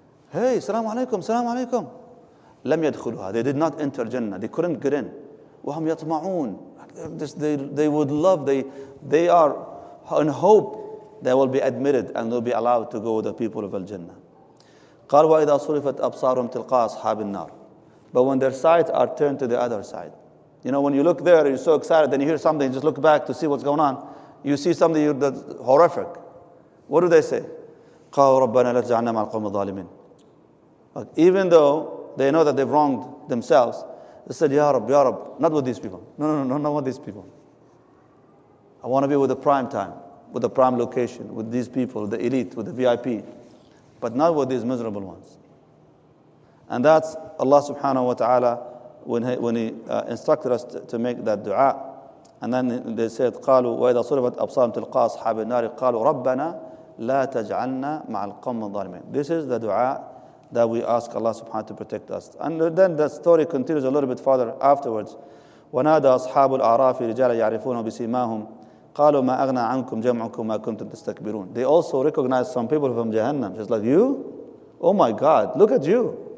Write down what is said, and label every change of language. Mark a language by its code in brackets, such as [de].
[en] Hey, salam alaikum, salam alaikum. [ar] لم يدخلها. [en] They did not enter Jannah. They couldn't get in. [ar] وهم يطمعون. [en] They would love. They are in hope they will be admitted and they'll be allowed to go with the people of Al Jannah. [ar] قال وإذا صرفت أبصارهم تلقاء أصحاب النار. [en] But when their sights are turned to the other side, you know, when you look there, you're so excited, then you hear something, you just look back to see what's going on. You see something that's horrific. What do they say? [ar] قال ربنا لا تجعلنا مع القوم الظالمين. [en] Even though they know that they've wronged themselves, they said, ya Rab, not with these people. No, not with these people. I want to be with the prime time, with the prime location, with these people, the elite, with the VIP, but not with these miserable ones. And that's Allah subhanahu wa ta'ala when he instructed us to make that dua. And then they said, [ar] قالوا وَإِذَا صُرِفَتْ أَبْصَارُهُمْ تِلْقَاءَ أَصْحَابِ النَّارِ قَالُوا رَبَّنَا لَا تَجْعَلْنَا مَعَ الْقَوْمِ الظَّالِمِينَ. [en] This is the dua that we ask Allah subhanahu wa ta'ala to protect us. And then the story continues a little bit further afterwards. [ar] وَنَادَى أَصْحَابُ الْأَعْرَافِ رِجَالًا يَعْرِفُونَ بِسِيمَاهُمْ قَالُوا مَا أَغْنَى عَنْكُمْ جَمْعُكُمْ مَا كُنْتُمْ تَسْتَكْبِرُونَ. [en] They also recognized some people from Jahannam. Just like you? Oh my God, look at you.